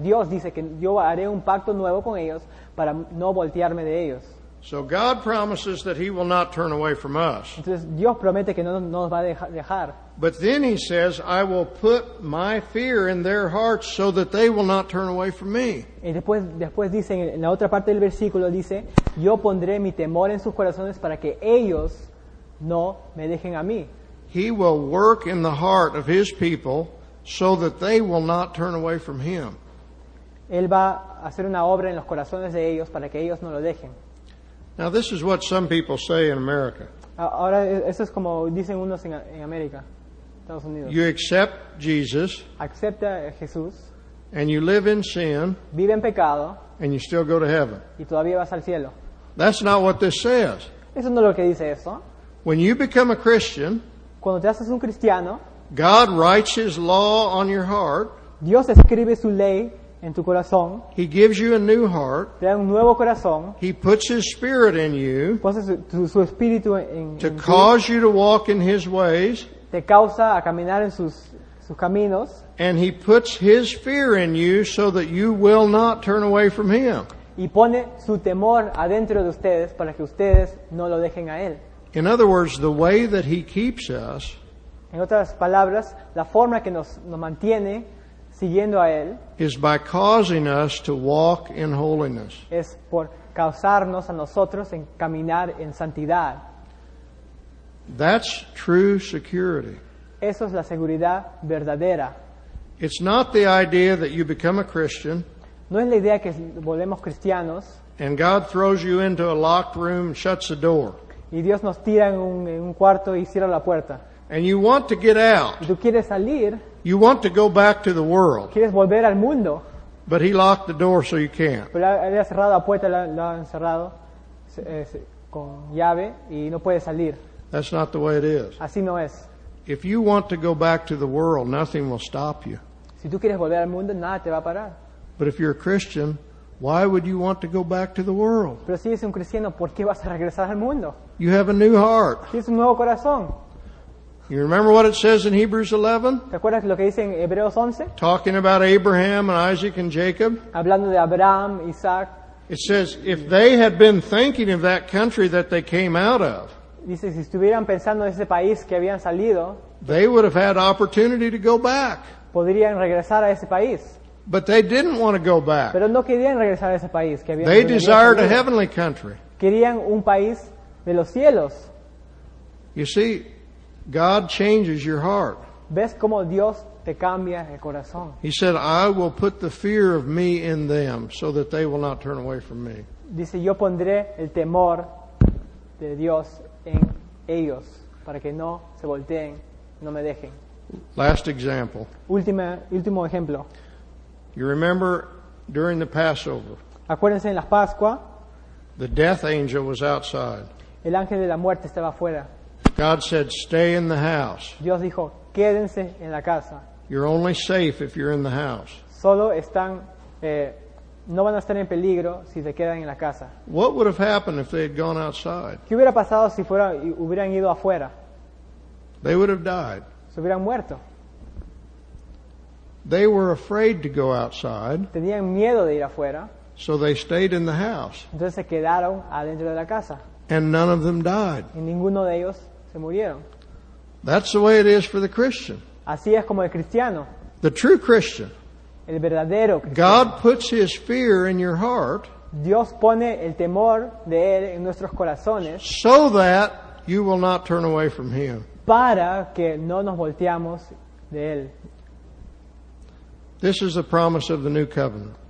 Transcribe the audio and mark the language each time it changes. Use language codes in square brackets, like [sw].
[es] Dios dice que yo haré un pacto nuevo con ellos para no voltearme de ellos. [en] So God promises that he will not turn away from us. [es] Entonces Dios promete que no nos va a dejar. [en] But then he says, I will put my fear in their hearts so that they will not turn away from me. [es] Y después dice, en la otra parte del versículo dice, yo pondré mi temor en sus corazones para que ellos no me dejen a mí. [en] He will work in the heart of his people so that they will not turn away from him. [es] Él va a hacer una obra en los corazones de ellos para que ellos no lo dejen. [en] Now this is what some people say in America. [es] Ahora eso es como dicen unos en América, Estados Unidos. [en] You accept Jesus. [es] Acepta a Jesús. [en] And you live in sin. [es] Vive en pecado. [en] And you still go to heaven. [es] Y todavía vas al cielo. [en] That's not what this says. [es] Eso no es lo que dice eso. [en] When you become a Christian. [es] Cuando te haces un cristiano. [en] God writes his law on your heart. [es] Dios escribe su ley. En tu corazón, [en] he gives you a new heart. [es] Te da un nuevo corazón. [en] He puts his spirit in you. [es] Pones su espíritu en [en] to cause you to walk in his ways. [es] Te causa a caminar en sus caminos. [en] And he puts his fear in you so that you will not turn away from him. [es] Y pone su temor adentro de ustedes para que ustedes no lo dejen a él. [en] In other words, the way that he keeps us. [es] En otras palabras, la forma que nos mantiene. Siguiendo a él, [en] is by causing us to walk in holiness. [es] Es por causarnos a nosotros en caminar en santidad. [en] That's true security. [es] Eso es la seguridad verdadera. [en] It's not the idea that you become a Christian. [es] No es la idea que volvemos cristianos. [en] And God throws you into a locked room and shuts the door. [es] Y Dios nos tira en un cuarto y cierra la puerta. [en] And you want to get out. [es] Y tú quieres salir. [en] You want to go back to the world. [es] Quieres volver al mundo. [en] But he locked the door so you can't. [es] Pero él ha cerrado la puerta, lo ha encerrado con llave y no puede salir. [en] That's not the way it is. [es] Así no es. [en] If you want to go back to the world, nothing will stop you. [es] Si tú quieres volver al mundo, nada te va a parar. [en] But if you're a Christian, why would you want to go back to the world? [es] Pero si eres un cristiano, ¿por qué vas a regresar al mundo? [en] You have a new heart. [es] Tienes un nuevo corazón. [en] You remember what it says in Hebrews 11? [es] ¿Te acuerdas lo que dice en Hebreos 11? [en] Talking about Abraham and Isaac and Jacob. [es] Hablando de Abraham, Isaac. [en] It says, if they had been thinking of that country that they came out of, [es] dice, si estuvieran pensando en ese país que habían salido, [en] they would have had opportunity to go back. [es] Podrían regresar a ese país. [en] But they didn't want to go back. [es] Pero no querían regresar a ese país que habían [en] they desired a heavenly country. [es] Querían un país de los cielos. [en] You see, God changes your heart. [es] ¿Ves cómo Dios te cambia el corazón? [en] He said, I will put the fear of me in them so that they will not turn away from me. [es] Dice, yo pondré el temor de Dios en ellos para que no se volteen, no me dejen. [en] Last example. [es] Último ejemplo. [en] You remember during the Passover. [es] Acuérdense en la Pascua. [en] The death angel was outside. [es] El ángel de la muerte estaba afuera. [en] God said, stay in the house. [es] Dios dijo, quédense en la casa. [en] You're only safe if you're in the house. [es] Solo están, no van a estar en peligro si se quedan en la casa. [en] What would have happened if they had gone outside? [es] ¿Qué hubiera pasado si fuera, hubieran ido afuera? [en] They would have died. [es] Se hubieran muerto. [en] They were afraid to go outside. [es] Tenían miedo de ir afuera. [en] So they stayed in the house. [es] Entonces se quedaron adentro de la casa. [en] And none of them died. [es] Y ninguno de ellos se murieron. [en] That's the way it is for the Christian. [es] Así es como el cristiano. [en] The true Christian. [es] El verdadero cristiano. [en] God puts his fear in your heart. [es] Dios pone el temor de él en nuestros corazones. [en] So that you will not turn away from him. [es] Para que no nos volteamos de él. [en] This is the promise of the new covenant.